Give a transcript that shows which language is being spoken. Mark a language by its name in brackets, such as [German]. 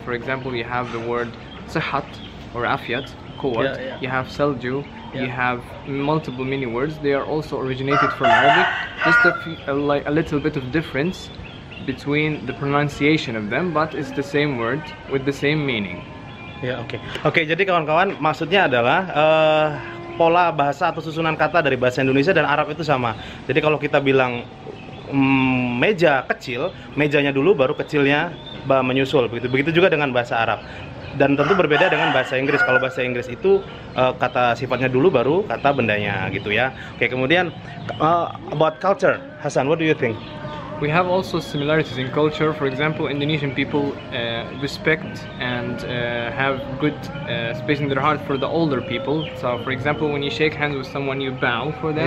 [English] For example, you have the word sehat or afiat, kuat. Yeah, yeah. You have salju, yeah. You have multiple many words. They are also originated from Arabic. Just a little bit of difference between the pronunciation of them, but it's the same word with the same meaning. Yeah, okay. [Indonesian] Okay, jadi kawan-kawan, maksudnya adalah pola bahasa atau susunan kata dari bahasa Indonesia dan Arab itu sama. Jadi kalau kita bilang meja kecil, mejanya dulu baru kecilnya menyusul. Begitu juga dengan bahasa Arab. Dan tentu berbeda dengan bahasa Inggris. Kalau bahasa Inggris itu kata sifatnya dulu baru kata bendanya gitu ya. Oke, kemudian [English] about culture, Hasan, what do you think? We have also similarities in culture. For example, Indonesian people respect and have good space in their heart for the older people. So for example, when you shake hands with someone, you bow for them.